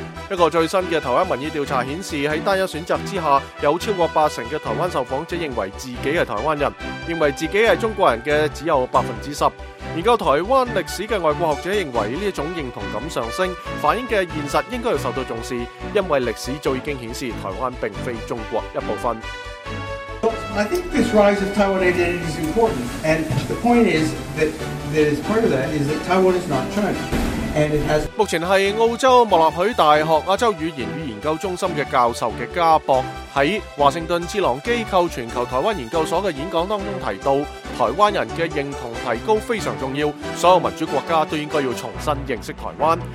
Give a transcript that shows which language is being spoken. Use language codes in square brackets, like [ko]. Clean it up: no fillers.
[zh] 一个最新的台湾民意调查显示，在单一选择之下，有超过八成的台湾受访者认为自己是台湾人，认为自己是中国人的只有10%。研究台湾历史的外国学者认为这种认同感上升，反映的现实应该要受到重视，因为历史早已经显示台湾并非中国一部分。 [en] I think this rise of Taiwan identity is important, and the point is that is part of that is that Taiwan is not China. [zh] 目前是澳洲莫纳许大学亚洲语言与研究中心的教授的家博，在华盛顿智囊机构全球台湾研究所的演讲当中提到，台湾人的认同提高非常重要，所有民主国家都应该要重新认识台湾。